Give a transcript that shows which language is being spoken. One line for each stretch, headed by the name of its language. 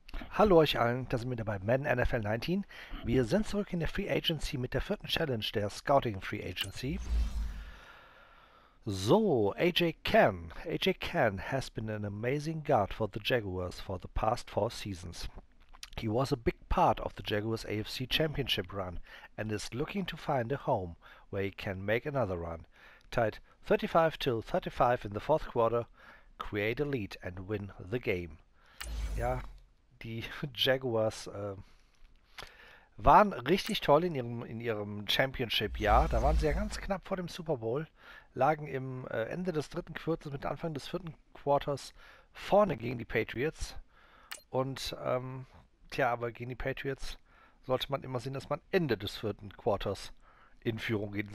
German: Hallo euch allen, da sind wir dabei, Madden NFL 19. Wir sind zurück in der Free Agency mit der vierten Challenge der Scouting Free Agency.
English: So, AJ Ken has been an amazing guard for the Jaguars for the past four seasons. He was a big part of the Jaguars AFC Championship run and is looking to find a home where he can make another run. Tied 35-35 in the fourth quarter, create a lead and win the game.
German: Ja. Die Jaguars waren richtig toll in ihrem Championship-Jahr. Da waren sie ja ganz knapp vor dem Super Bowl, lagen im Ende des dritten Quartals mit Anfang des vierten Quartals vorne gegen die Patriots. Und tja, aber gegen die Patriots sollte man immer sehen, dass man Ende des vierten Quartals in Führung geht.